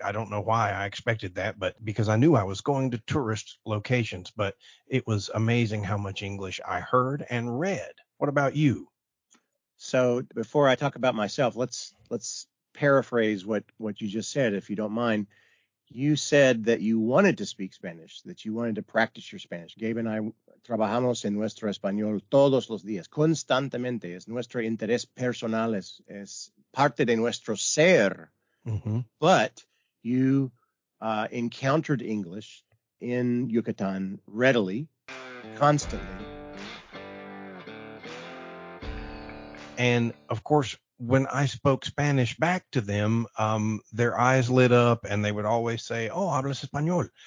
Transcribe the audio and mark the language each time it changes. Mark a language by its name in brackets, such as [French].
[English] I don't know why I expected that, but because I knew I was going to tourist locations, but it was amazing how much English I heard and read. What about you? So before I talk about myself, let's paraphrase what you just said, if you don't mind. You said that you wanted to speak Spanish, that you wanted to practice your Spanish. Gabe and I [Spanish] trabajamos en nuestro español todos los días, constantemente. Es nuestro interés personal, es parte de nuestro ser. Mm-hmm. [English] But you encountered English in Yucatan readily, constantly. And of course, when I spoke Spanish back to them, their eyes lit up and they would always say, oh, [Spanish] hablas español.